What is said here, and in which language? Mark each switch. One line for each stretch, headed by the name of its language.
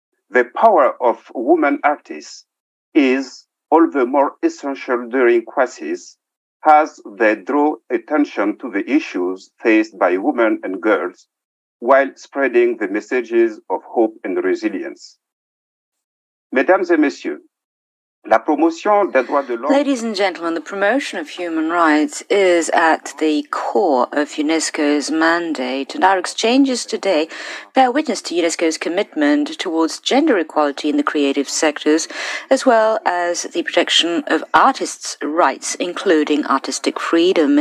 English: The power of women artists is all the more essential during crises as they draw attention to the issues faced by women and girls while spreading the messages of hope and resilience.
French: Mesdames et messieurs, la promotion des droits de l'homme.
English: Ladies and gentlemen, the promotion of human rights is at the core of UNESCO's mandate, and our exchanges today bear witness to UNESCO's commitment towards gender equality in the creative sectors, as well as the protection of artists' rights, including artistic freedom.